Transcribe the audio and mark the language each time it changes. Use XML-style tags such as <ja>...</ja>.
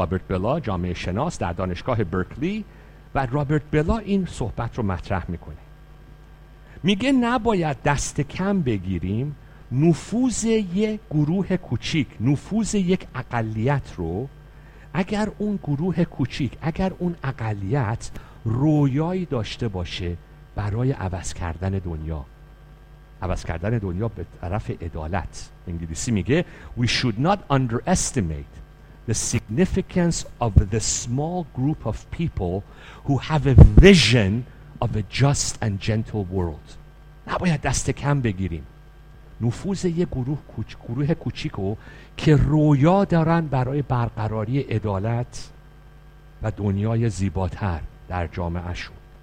<fa>رابرت بلا جامعه شناس در دانشگاه برکلی، و رابرت بلا این صحبت رو مطرح میکنه، میگه نباید دست کم بگیریم نفوذ یک گروه کوچیک، نفوذ یک اقلیت رو، اگر اون گروه کوچیک، اگر اون اقلیت رویایی داشته باشه برای عوض کردن دنیا، عوض کردن دنیا به طرف عدالت. انگلیسی میگه</fa> <en>We should not underestimate the significance of the small group of people who have a vision of a just and gentle world.</en> <fa>نباید دست کم بگیریم نفوذ یه گروه کوچیکو که رویا دارن برای برقراری عدالت و دنیای زیباتر در جامعهشون.</fa>